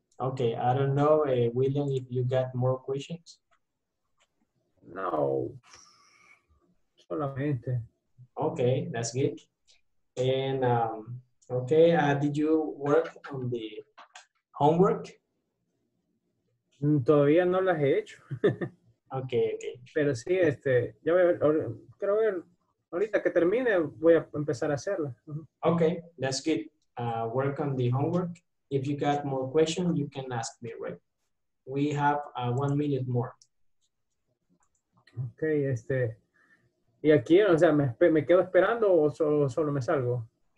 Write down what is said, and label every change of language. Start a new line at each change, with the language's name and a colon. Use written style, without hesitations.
English: Okay, I don't know, William, if you got more questions.
Spanish: No. Solamente.
English: Okay, that's good. And, okay, did you work on the homework?
Spanish: Todavía no las he hecho.
English: Okay.
Spanish: Pero sí, ya voy a ver, creo que ahorita que termine voy a empezar a hacerla.
English: Uh-huh. Okay, that's good. Work on the homework. If you got more questions, you can ask me, right? We have 1 minute more.
Spanish: Okay, ¿y aquí, o sea, me quedo esperando o solo me salgo?